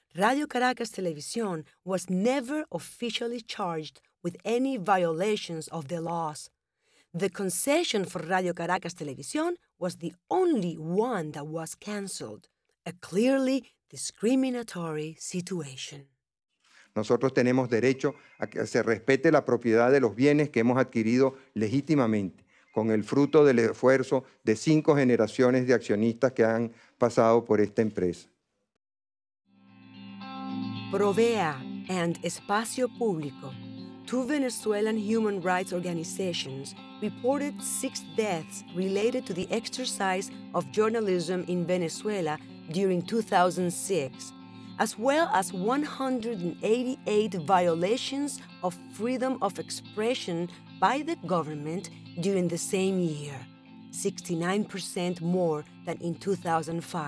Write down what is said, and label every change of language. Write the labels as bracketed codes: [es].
[en] Radio Caracas Televisión was never officially charged with any violations of the laws. The concession for Radio Caracas Televisión was the only one that was canceled, a clearly discriminatory situation. [es] Nosotros tenemos derecho a que se respete la propiedad de los bienes que hemos adquirido legítimamente, con el fruto del esfuerzo de 5 generaciones de accionistas que han pasado por esta empresa. [en] Provea and Espacio Público, 2 Venezuelan human rights organizations, reported 6 deaths related to the exercise of journalism in Venezuela during 2006, as well as 188 violations of freedom of expression by the government during the same year, 69% more than in 2005.